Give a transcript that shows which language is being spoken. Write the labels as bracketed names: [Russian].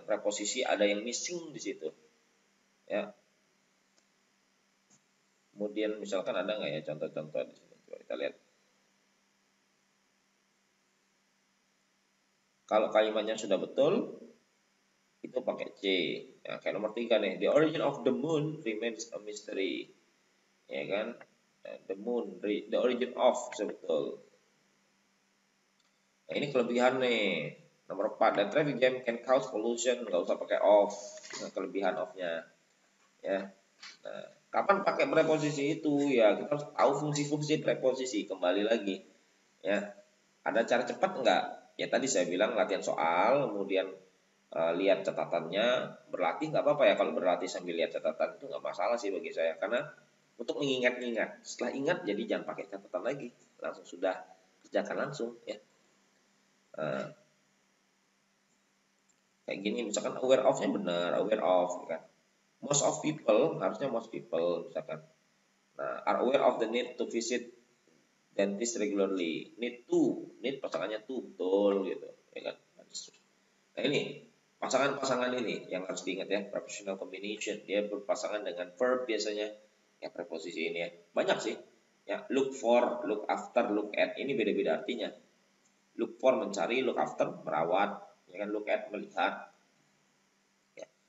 [Indonesian] Preposisi ada yang missing di situ. Ya. Kemudian misalkan ada nggak ya contoh-contoh di sini. Coba kita lihat. Kalau kalimatnya sudah betul, itu pakai C. Ya, kayak nomor 3 nih. [English] The origin of the moon remains a mystery. [Indonesian] Ya kan? [English] The moon, the origin of, [Indonesian] sebetul. Nah, ini kelebihan nih, nomor 4, dan [English] traffic jam can cause pollution, [Indonesian] nggak usah pakai off, kelebihan off-nya. Ya. Nah, kapan pakai preposisi itu? Ya, kita harus tahu fungsi-fungsi preposisi, kembali lagi. Ya, ada cara cepat nggak? Ya, tadi saya bilang latihan soal, kemudian lihat catatannya, berlatih nggak apa-apa ya, kalau berlatih sambil lihat catatan itu nggak masalah sih bagi saya, karena untuk mengingat-ingat, setelah ingat jadi jangan pakai catatan lagi, langsung sudah, kerjakan langsung ya. Kayak gini misalkan aware of-nya benar, aware of kan. [English] Most of people, [Indonesian] harusnya most people misalkan. [English] Nah, are aware of the need to visit dentist regularly. [Indonesian] Need pasangannya to, betul gitu. Ya kan? Nah, ini pasangan-pasangan ini yang harus diingat ya, preposition combination. Dia berpasangan dengan verb biasanya ya, preposisi ini ya. Banyak sih. Ya, [English] look for, look after, look at. [Indonesian] Ini beda-beda artinya. Look for, mencari, look after, merawat, ya kan, look at, melihat. Ya.